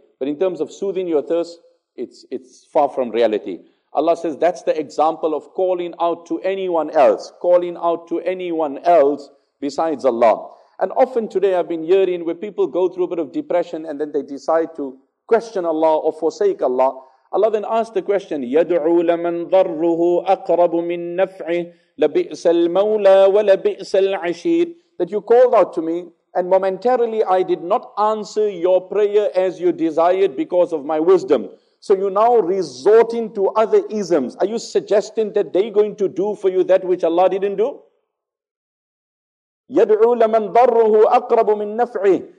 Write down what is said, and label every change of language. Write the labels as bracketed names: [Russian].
[English] But in terms of soothing your thirst, it's far from reality. Allah says that's the example of calling out to anyone else. Calling out to anyone else besides Allah. And often today I've been hearing where people go through a bit of depression and then they decide to question Allah or forsake Allah. Allah then asks the question, [Arabic] يَدْعُوا لَمَنْ ضَرُّهُ أَقْرَبُ مِنْ نَفْعِهِ لَبِئْسَ الْمَوْلَى وَلَبِئْسَ الْعَشِيرِ. [English] That you called out to me, and momentarily I did not answer your prayer as you desired because of my wisdom. So you're now resorting to other isms. Are you suggesting that they're going to do for you that which Allah didn't do? [Arabic] يَدْعُوا لَمَنْ ضَرُّهُ أَقْرَبُ مِنْ نَفْعِهِ.